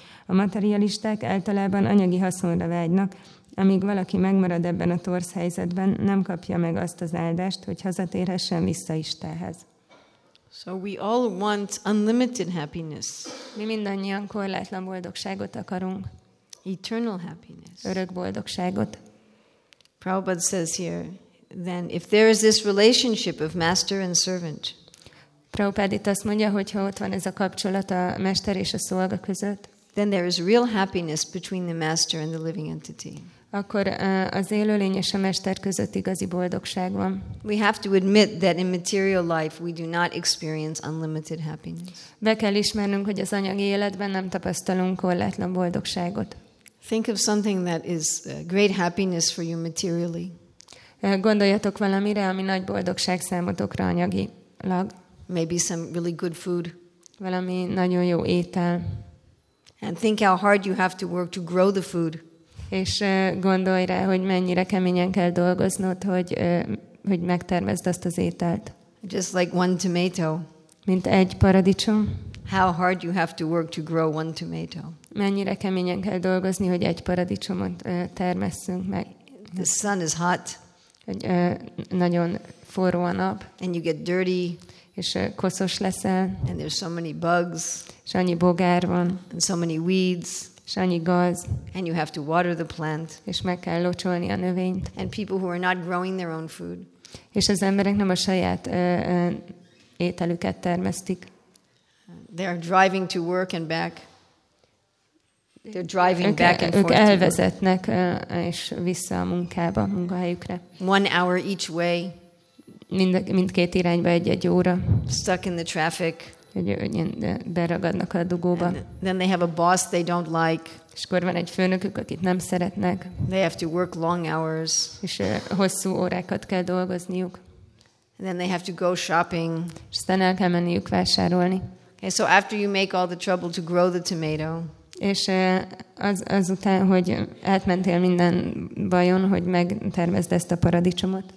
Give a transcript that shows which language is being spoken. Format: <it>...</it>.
<hu>A materialisták általában anyagi haszonra vágynak, amíg valaki megmarad ebben a torz helyzetben, nem kapja meg azt az áldást, hogy hazatérhessen vissza Istenhez.</hu> <en>So we all want unlimited happiness.</en> <hu>Mi mindannyian korlátlan boldogságot akarunk.</hu> <en>Eternal happiness.</en> <hu>Örök boldogságot.</hu> <en>Prabhupada says here, then if there is this relationship of master and servant.</en> <hu>Prabhupada itt azt mondja, hogy ha ott van ez a kapcsolat a mester és a szolga között.</hu> <en>Then there is real happiness between the master and the living entity.</en> <hu>Akkor az élőlény és a mester között igazi boldogság van.</hu> <en>We have to admit that in material life we do not experience unlimited happiness.</en> <hu>Be kell ismernünk, hogy az anyagi életben nem tapasztalunk korlátlan boldogságot.</hu> <en>Think of something that is great happiness for you materially.</en> <hu>Gondoljatok valamire, ami nagy boldogság számotokra anyagilag.</hu> <en>Maybe some really good food.</en> <hu>Valami nagyon jó étel.</hu> <en>And think how hard you have to work to grow the food.</en> <hu>És gondolj rá, hogy mennyire keményen kell dolgoznod, hogy megtermezd azt az ételt.</hu> <en>Just like one tomato.</en> <hu>Mint egy paradicsom.</hu> <en>How hard you have to work to grow one tomato.</en> <hu>Mennyire keményen kell dolgozni, hogy egy paradicsomot termesszünk meg.</hu> <en>The sun is hot.</en> <hu>Nagyon forró a nap.</hu> <en>And you get dirty.</en> <hu>és koszos leszel.</hu> <en>And there's so many bugs.</en> <hu>És annyi bogár van.</hu> <en>And so many weeds.</en> <hu>És annyi gaz.</hu> <en>And you have to water the plant.</en> <hu>És meg kell locsolni a növényt.</hu> <en>And people who are not growing their own food.</en> <hu>És az emberek nem a saját ételüket termesztik.</hu> <en>They are driving to work and back. They're driving back and forth.</en> <hu>Ők elvezetnek és vissza a munkába, munkahelyükre.</hu> <en>One hour each way.</en> <hu>Mindkét irányba egy-egy óra.</hu> <en>Stuck in the traffic.</en> <hu>Beragadnak a dugóba.</hu> <en>Then they have a boss they don't like.</en> <hu>És akkor van egy főnökük, akit nem szeretnek.</hu> <en>They have to work long hours.</en> <hu>És hosszú órákat kell dolgozniuk.</hu> <en>Then they have to go shopping.</en> <hu>És aztán el kell menniük vásárolni.</hu> <en>Okay, so after you make all the trouble to grow the tomato.</en> <hu>És azután, hogy átmentél minden bajon, hogy megtermeszd ezt a paradicsomot.</hu>